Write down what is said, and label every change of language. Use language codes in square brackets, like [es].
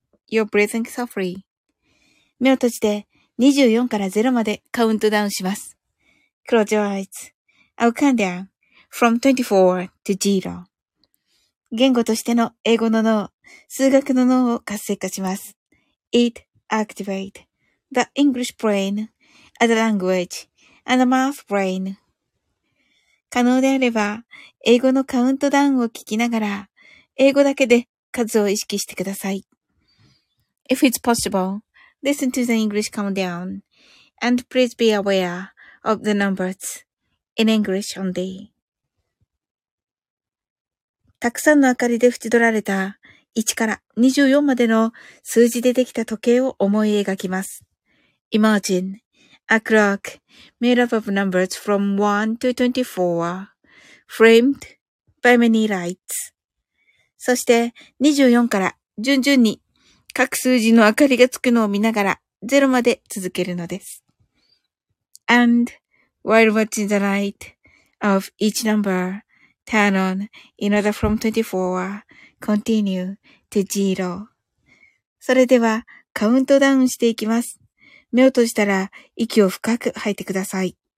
[en] You're breathing so free. [ja] 目を閉じて24から0までカウントダウンします。 [en] Close your eyes. I'll count down from 24 to 0. [ja] 言語としての英語の脳、数学の脳を活性化します。 [en] It activates the English brain as a language. And a math brain. [ja] 可能であれば、英語のカウントダウンを聞きながら、英語だけで数を意識してください。 [en] If it's possible, listen to the English countdown and please be aware of the numbers in English only. [ja] たくさんの明かりで縁取られた1から24までの数字でできた時計を思い描きます。 [en] Imagine. A clock made up of numbers from 1 to 24, framed by many lights. [ja] そして24から順々に各数字の明かりがつくのを見ながら0まで続けるのです。 [en] And while watching the light of each number turn on in order from 24, continue to 0. [ja] それではカウントダウンしていきます。目を閉じたら息を深く吐いてください。